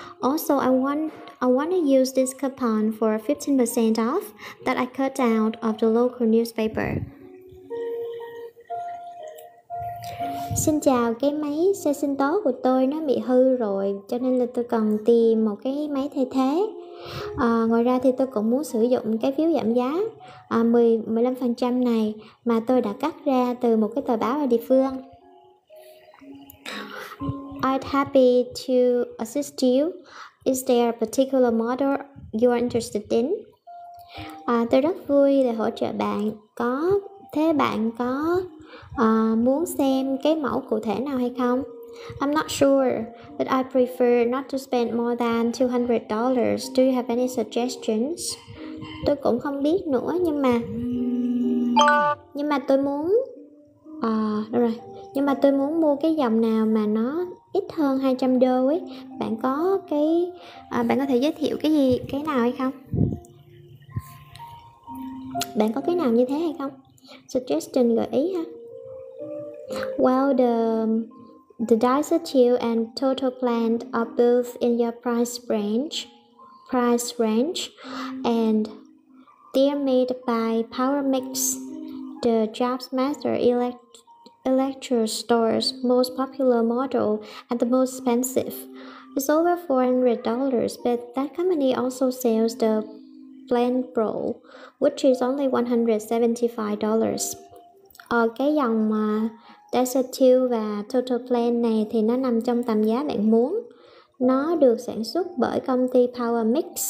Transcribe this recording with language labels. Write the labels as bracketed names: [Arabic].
[English] Also, I want to use this coupon for 15% off that I cut out of the local newspaper. [Vietnamese] Xin chào, cái máy xe sinh tố của tôi nó bị hư rồi, cho nên là tôi cần tìm một cái máy thay thế. Ngoài ra thì tôi cũng muốn sử dụng cái phiếu giảm giá 15% này mà tôi đã cắt ra từ một cái tờ báo ở địa phương. [English] I'd happy to assist you. Is there a particular model you are interested in? [Vietnamese] Tôi rất vui để hỗ trợ bạn. Có thế bạn có muốn xem cái mẫu cụ thể nào hay không? [English] I'm not sure, but I prefer not to spend more than $200. Do you have any suggestions? [Vietnamese] Tôi cũng không biết nữa, nhưng mà tôi muốn nhưng mà tôi muốn mua cái dòng nào mà nó ít hơn $200 ấy. Bạn có cái bạn có thể giới thiệu cái gì cái nào hay không? Bạn có cái nào như thế hay không? Suggestion, gợi ý ha. [English] Well, the Dyson 2 and Total Plan are both in your price range, and they're made by PowerMix, the Jobs Master Electro Store's most popular model and the most expensive. It's over $400, but that company also sells the Plan Pro, which is only $175. [Vietnamese] Cái dòng Dyson 2 và Total Plan này thì nó nằm trong tầm giá bạn muốn. Nó được sản xuất bởi công ty PowerMix.